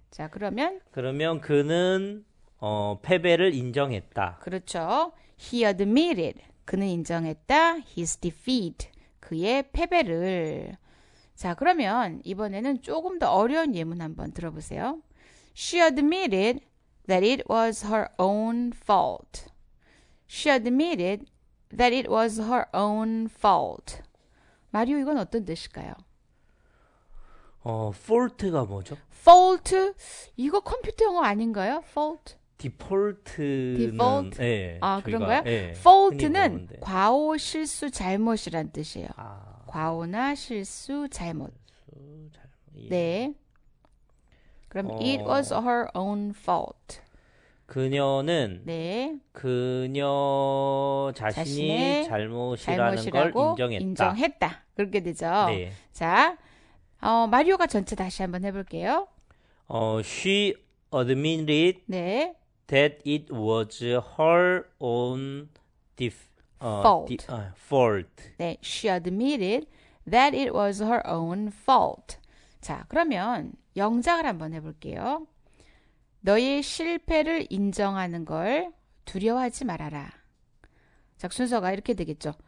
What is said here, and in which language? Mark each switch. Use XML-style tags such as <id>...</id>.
<ko>자, 그러면? 그러면 그는 패배를 인정했다. 그렇죠.</ko> <en>He admitted.</en> <ko>그는 인정했다.</ko> <en>His defeat.</en> <ko>그의 패배를. 자, 그러면 이번에는 조금 더 어려운 예문 한번 들어보세요.</ko> <en>She admitted that it was her own fault. She admitted that it was her own fault.</en> <ko>마리오, 이건 어떤 뜻일까요? fault가 뭐죠?</ko> <en>fault?</en> <ko>이거 컴퓨터 영어 아닌가요?</ko> <en>fault? default?</en> <ko>네, 아, 그런가요? 네, fault는 과오, 실수, 잘못이란 뜻이에요. 아. 과오나 실수, 잘못. 잘못. 네. 그럼</ko> <en>it was her own fault.</en> <ko>그녀는 네. 그녀 자신이 잘못이라는 잘못이라고 걸 인정했다. 인정했다. 그렇게 되죠. 네. 자, 마리오가 전체 다시 한번 해볼게요.</ko> <en>She admitted</en> <ko>네.</ko> <en>that it was her own fault. That she admitted that it was her own fault.</en> <ko>자, 그러면 영작을 한번 해볼게요. 너의 실패를 인정하는 걸 두려워하지 말아라. 자, 순서가 이렇게 되겠죠.</ko>